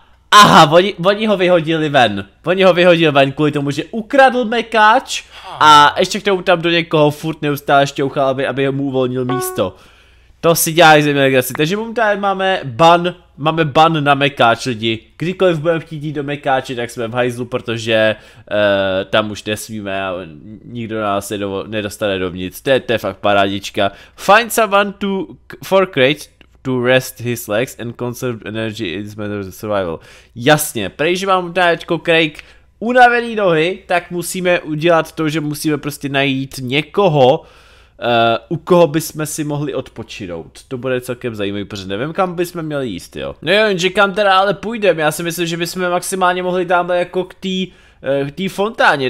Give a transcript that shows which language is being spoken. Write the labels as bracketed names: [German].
[Czech] Aha, oni ho vyhodili ven. Oni ho vyhodili ven kvůli tomu, že ukradl mekáč a ještě k tomu tam do někoho furt neustále šťouchal, aby mu uvolnil místo. To si dělají země legraci. Takže momentálně máme ban na mekáč, lidi. Kdykoliv budeme chtít jít do mekáče, tak jsme v hajzlu, protože tam už nesmíme a nikdo nás nedostane dovnitř. To je fakt parádička. [English] Find someone for crate to rest his legs and conserve energy in this matter of survival. [Czech] Jasně, prej, že mám dáčko Craig unavený nohy, tak musíme udělat to, že musíme prostě najít někoho, u koho bychom si mohli odpočinout. To bude celkem zajímavý, protože nevím, kam bychom měli jíst, jo. No jo, jenže kam teda ale půjdeme, já si myslím, že bychom maximálně mohli tamhle jako k té fontáně.